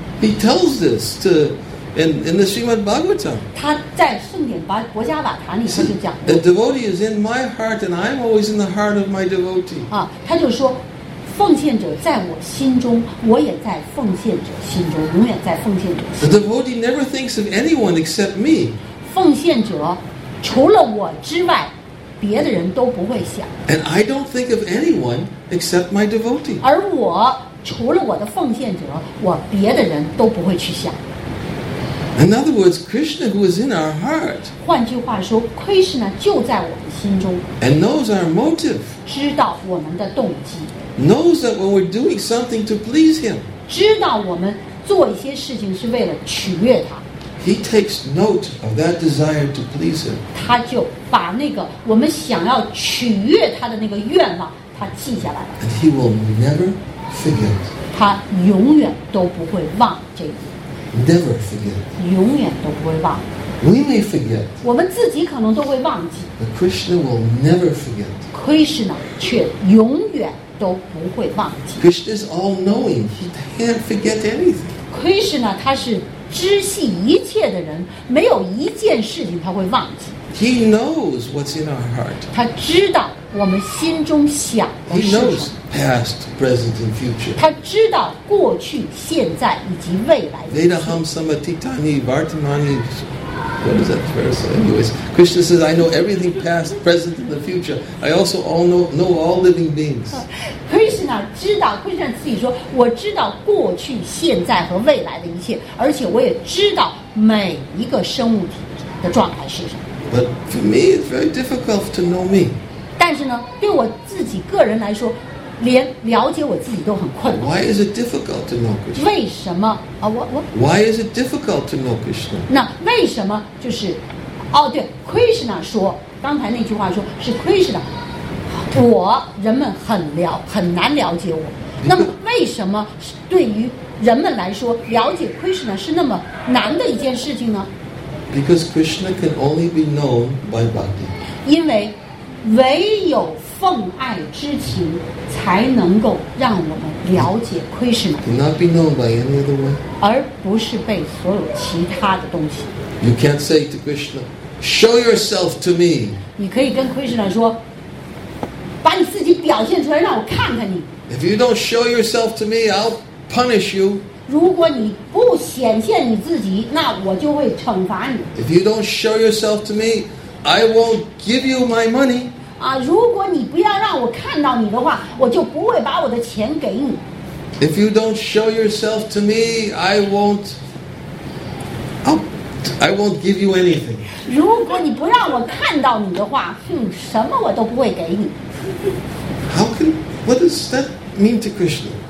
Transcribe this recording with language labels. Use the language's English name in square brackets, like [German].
[English] He tells this to in the Srimad Bhagavatam. [Chinese] 他在圣典巴国家瓦塔里他就讲。 [English] The devotee is in my heart, and I'm always in the heart of my devotee. [Chinese] 啊，他就说，奉献者在我心中，我也在奉献者心中，永远在奉献者心中。 [English] The devotee never thinks of anyone except me. [Chinese] 奉献者除了我之外，别的人都不会想。 [English] And I don't think of anyone except my devotee. [Chinese] 而我除了我的奉献者，我别的人都不会去想。 [English] In other words, Krishna, who is in our heart, [Chinese] 换句话说 ，Krishna 就在我们心中 [English] ，and knows our motive， [Chinese] 知道我们的动机 [English] ，knows that when we're doing something to please him， [Chinese] 知道我们做一些事情是为了取悦他。 [English] He takes note of that desire to please him， [Chinese] 他就把那个我们想要取悦他的那个愿望，他记下来了。 [English] And he will never forget， [Chinese] 他永远都不会忘这个。 [English] Never forget. [Chinese] 永远都不会忘。 [English] We may forget. [Chinese] 我们自己可能都会忘记。 [English] But Krishna will never forget. [Chinese] Krishna 却永远都不会忘记。 [English] Krishna is all-knowing. He can't forget anything. [Chinese] Krishna 他是知悉一切的人，没有一件事情他会忘记。 [English] He knows what's in our heart. [Chinese] 他知道我们心中想的是什么。 [English] He knows past, present, and future. [Chinese] 他知道过去、现在以及未来。 [Sanskrit] Vedaham samatitani vartamani. [English] What does that verse say? Anyways, Krishna says, "I know everything past, present, and the future. I also know all living beings." [Chinese] Krishna 知道 ，Krishna 自己说，我知道过去、现在和未来的一切，而且我也知道每一个生物体的状态是什么。 [English] But for me, it's very difficult to know me. [Chinese] 但是呢，对我自己个人来说，连了解我自己都很困难。 [English] Why is it difficult to know Krishna? [Chinese] 为什么啊？我 [English] Why is it difficult to know Krishna? [Chinese] 那为什么就是？哦，对 ，Krishna 说，刚才那句话说是 Krishna， 我人们很难了解我。那么为什么对于人们来说，了解 Krishna 是那么难的一件事情呢？ [English] Because Krishna can only be known by bhakti. [Chinese] 因为唯有奉爱之情才能够让我们了解 Krishna， [English] cannot be known by any other way， [Chinese] 而不是被所有其他的东西。 [English] You can't say to Krishna, "Show yourself to me." [Chinese] 你可以跟 Krishna 说，把你自己表现出来，让我看看你。 [English] If you don't show yourself to me, I'll punish you. [Chinese] 如果你不显现你自己，那我就会惩罚你。 [English] If you don't show yourself to me, I won't give you my money. [Chinese] 啊，如果你不要让我看到你的话，我就不会把我的钱给你。 [English] If you don't show yourself to me, I won't give you anything. [Chinese] 如果你不让我看到你的话，哼，什么我都不会给你。 [English] How can what does that mean to Krishna?